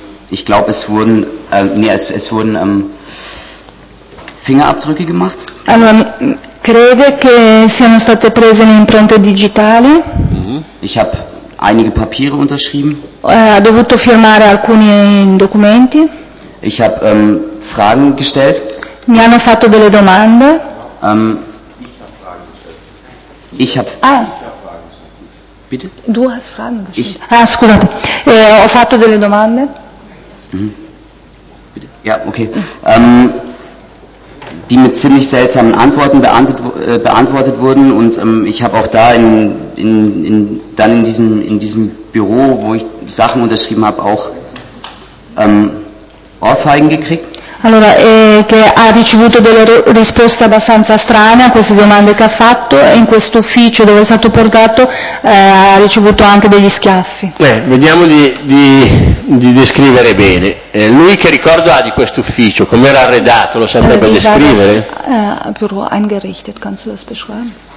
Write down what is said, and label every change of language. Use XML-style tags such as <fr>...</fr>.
<de>Ich glaube, es wurden Fingerabdrücke gemacht.</de> <it>Allora, crede che siano state prese le impronte digitali?</it> <de>Ich habe einige Papiere unterschrieben.</de> <it>Ha dovuto firmare alcuni documenti.</it> <de>Ich habe Fragen gestellt.</de> <it>Mi hanno fatto delle domande.</it> <de>Ich habe Bitte? Du hast Fragen gestellt.</de> <it>Scusate. Ho fatto delle domande.</it> <de>Bitte. Ja, okay. Die mit ziemlich seltsamen Antworten beantwortet wurden und ich habe auch da in diesem Büro, wo ich Sachen unterschrieben habe, auch Ohrfeigen gekriegt.</de> <it>Allora, che ha ricevuto delle risposte abbastanza strane a queste domande che ha fatto e in questo ufficio dove è stato portato ha ricevuto anche degli schiaffi. Vediamo di descrivere bene. Lui che ricordo ha di questo ufficio? Com'era arredato? Lo saprebbe descrivere?</it> <de>Büro eingerichtet, kannst du das beschreiben?</de>